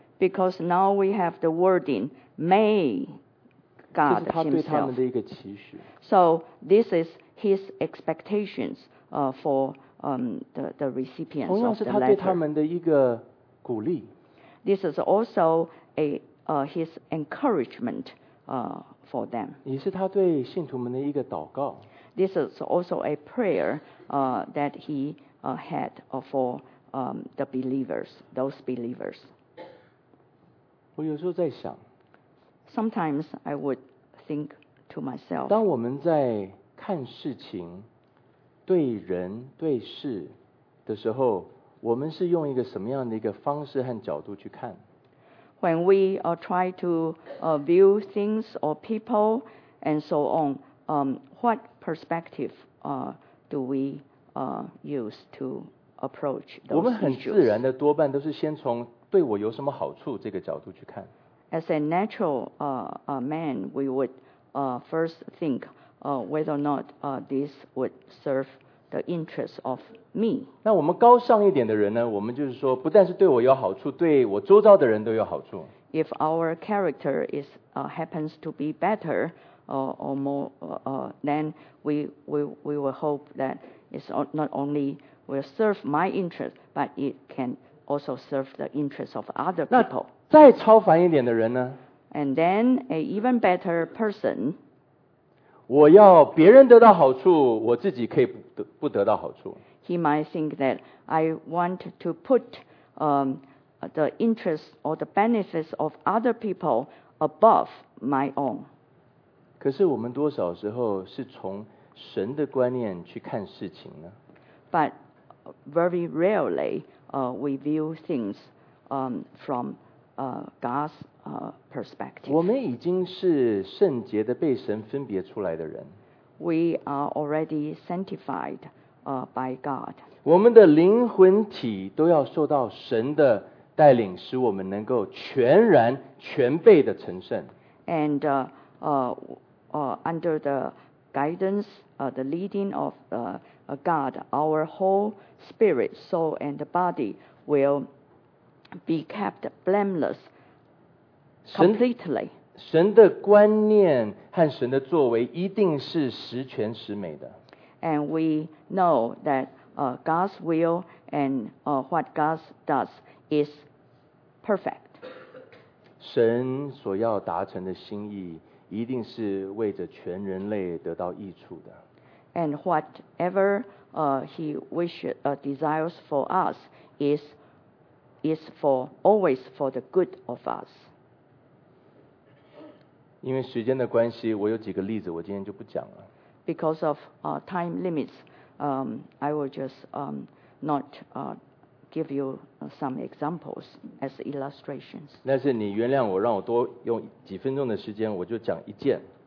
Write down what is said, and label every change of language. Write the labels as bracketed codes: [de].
[en] Because now we have the wording may God himself. So this is his expectations for the recipients of the letter. [zh] 同样是他对他们的一个鼓励。 [en] This is also his encouragement for them. [zh] 也是他对信徒们的一个祷告。 [en] This is also a prayer that he had for the believers, those believers. [zh] 我有时候在想。 [en] Sometimes I would think to myself. [zh] 当我们在看事情对人对事的时候，我们是用一个什么样的一个方式和角度去看？ [en] When we try to view things or people and so on, what perspective do we use to approach those issues? [zh] 我们很自然的多半都是先从对我有什么好处这个角度去看。 [en] As a natural man, we would first think whether or not this would serveThe interest of me. [zh] 那我们高尚一点的人呢？我们就是说，不但是对我有好处，对我周遭的人都有好处。 [en] If our character is happens to be better, or more, then we will hope that it's not only will serve my interest, but it can also serve the interest of other people. [zh] 那再超凡一点的人呢 [en] ？And then a even better person. [zh] 我要别人得到好处，我自己可以不。不得到好处。 [en] He might think that I want to put the interest or the benefits of other people above my own. [zh] 可是我们多少时候是从神的观念去看事情呢？ [en] But very rarely we view things from God's perspective. [zh] 我们已经是圣洁的被神分别出来的人。 [en] We are already sanctified by God. [zh] 我们的灵魂体都要受到神的带领，使我们能够全然全备的成圣。 [en] And under the guidance, the leading of God, our whole spirit, soul, and body will be kept blameless completely. [zh] 神的观念和神的作为一定是十全十美的。 [en] And we know that God's will and what God does is perfect. [zh] 神所要达成的心意一定是为着全人类得到益处的。 [en] And whatever he wishes, desires for us is for always for the good of us. [zh] 因为时间的关系，我有几个例子，我今天就不讲了。 [en] Because of time limits, I will just not give you some examples as illustrations. [zh] 但是你原谅我，让我多用几分钟的时间，我就讲一件。